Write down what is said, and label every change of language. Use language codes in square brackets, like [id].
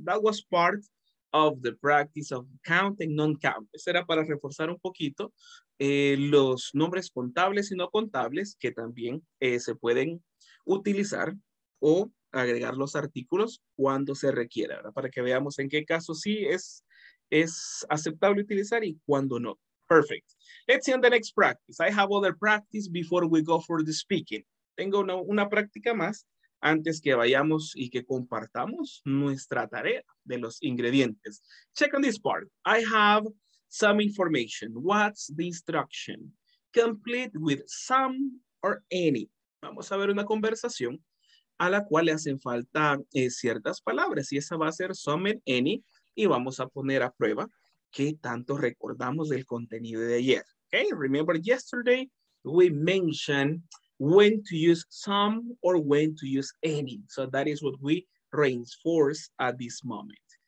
[en] That was part of the practice of count and non-count. [es] Eso era para reforzar un poquito los nombres contables y no contables que también se pueden utilizar o agregar los artículos cuando se requiera, ¿verdad? Para que veamos en qué caso sí es aceptable utilizar y cuando no. [en] Perfect. Let's see on the next practice. I have other practice before we go for the speaking. [es] Tengo una práctica más antes que vayamos y que compartamos nuestra tarea de los ingredientes. [en] Check on this part. I have some information. What's the instruction? Complete with some or any. [es] Vamos a ver una conversación a la cual le hacen falta ciertas palabras, y esa va a ser some and any, y vamos a poner a prueba qué tanto recordamos del contenido de ayer. [en] Okay, remember yesterday we mentioned when to use some or when to use any. So that is what we reinforce at this moment.